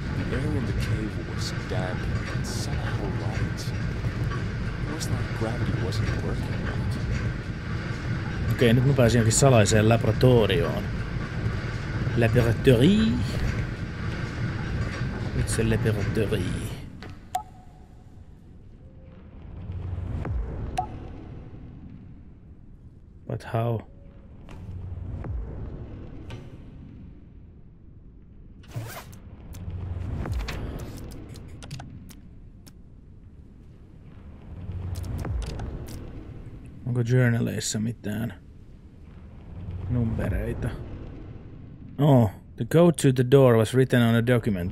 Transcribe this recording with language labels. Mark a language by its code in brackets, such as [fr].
[en] The air in the cave was damp and somehow light. It was like gravity wasn't working right. [fi] Okei, nyt mä pääsin jokin salaiseen laboratorioon. Laboratory. Nyt se laboratory. [en] But how? [fi] Onko journaleissa mitään numbereita? [en] Oh, the code to the door was written on a document.